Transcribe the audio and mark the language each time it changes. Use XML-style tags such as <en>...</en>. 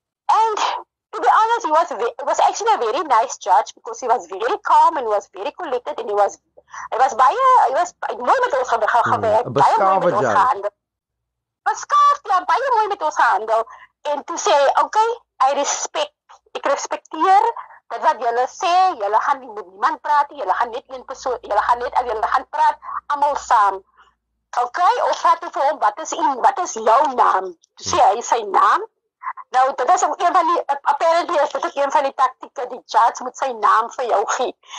<en>And, to be honest, he was actually a very nice judge, because he was very calm and he was very collected, and he was</en> <af>mooi met ons gewerkt, baie mooi met ons gehandel. Beskaafd, ja, baie mooi met ons gehandel.</af> <en>And to say,</en> <af>okay, ek respecteer, dit wat julle sê, julle gaan nie met niemand praat, julle gaan net een persoon, julle gaan praat, allemaal saam. Oké, okay, ons vat toe vir hom, wat is jou naam? Toe sê hy sy naam, Nou, dit is ook een van die, apparently is dit ook een van die tactieke, die judge moet sy naam vir jou gee.</af>